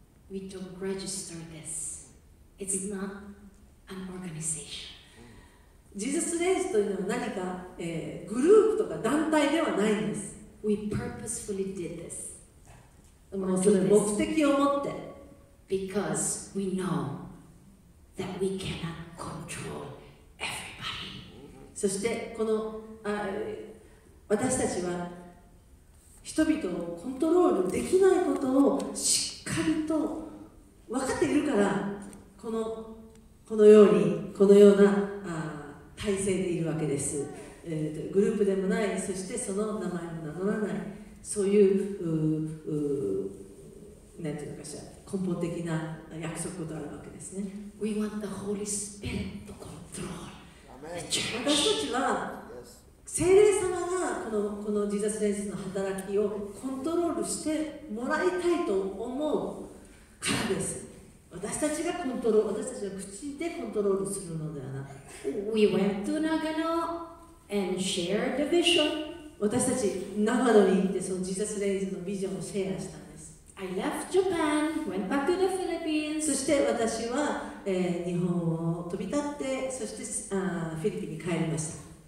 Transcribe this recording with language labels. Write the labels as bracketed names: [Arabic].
[English] We don't register this. It's not an organization. [Japanese] ジーザスレイズというのは何か、グループとか団体ではないんです。 [English] We purposefully did this. [Japanese] もうそれ目的を持って。 [English] Because we know that we cannot control everybody. [Japanese] そしてこの私たちは人々をコントロールできないことをしっかりと分かっているから、このようにこのような体制でいるわけです、グループでもないそしてその名前も名乗らないそういう何て言うのかしら根本的な約束ことあるわけですね [English] We want the Holy Spirit to control the church [Japanese] 私たちは聖霊様がこのジーザス・レイズの働きをコントロールしてもらいたいと思うからです私たちがコントロール、私たちは口でコントロールするのではな [English] く We went to Nagano and shared the vision [Japanese] 私たち長野に行ってそのジーザスレイズのビジョンをシェアしたんです [English] I left Japan, went back to the Philippines [Japanese] そして私は、日本を飛び立ってそしてフィリピンに帰りました